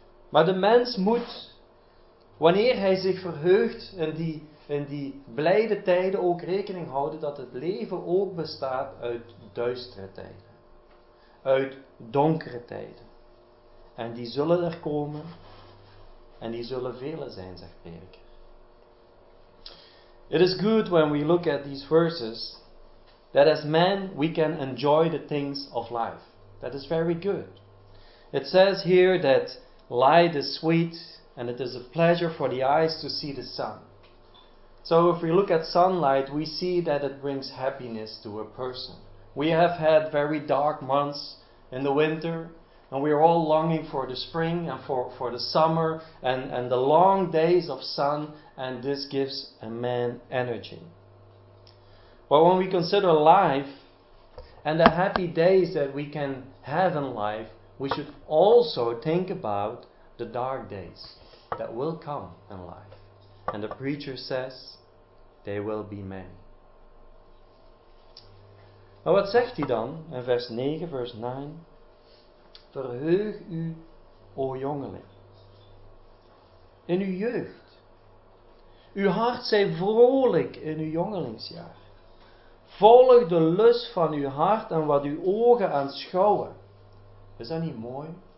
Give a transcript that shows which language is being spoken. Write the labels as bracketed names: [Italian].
[Dutch] Maar de mens moet, wanneer hij zich verheugt in die blijde tijden, ook rekening houden dat het leven ook bestaat uit duistere tijden. Uit donkere tijden. En die zullen er komen en die zullen vele zijn, zegt Prediker. [English] It is good when we look at these verses that as men we can enjoy the things of life. That is very good. It says here that light is sweet, and it is a pleasure for the eyes to see the sun. So if we look at sunlight, we see that it brings happiness to a person. We have had very dark months in the winter, and we are all longing for the spring and for the summer and the long days of sun, and this gives a man energy. But when we consider life and the happy days that we can have in life, we should also think about the dark days that will come in life. And the preacher says, they will be many. [Dutch] Maar wat zegt hij dan in vers 9, vers 9? Verheug u, o jongeling, in uw jeugd. Uw hart zij vrolijk in uw jongelingsjaar. Volg de lust van uw hart en wat uw ogen aanschouwen. Is dat niet mooi?